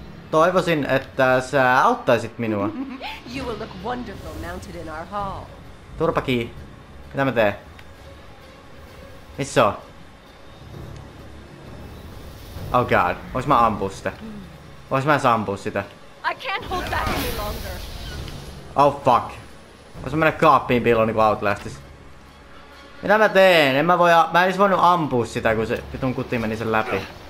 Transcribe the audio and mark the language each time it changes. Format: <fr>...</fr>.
<fi>Toivoisin, että sä auttaisit minua.</fi> <en>You will look wonderful mounted in our hall.</en> <fi>Turpa kii. Mitä mä teen? Missä on?</fi> <en>Oh god.</en> <fi>Vois mä ampua sitä? Vois mä edes ampua sitä?</fi> <en>I can't hold back any longer. Oh fuck.</en> <fi>Vois mä mennä kaappiin piiloon niinku Outlastis. Mitä mä teen? En mä voi mä en edes voinut ampua sitä, kun se pitun kuti meni sen läpi.</fi>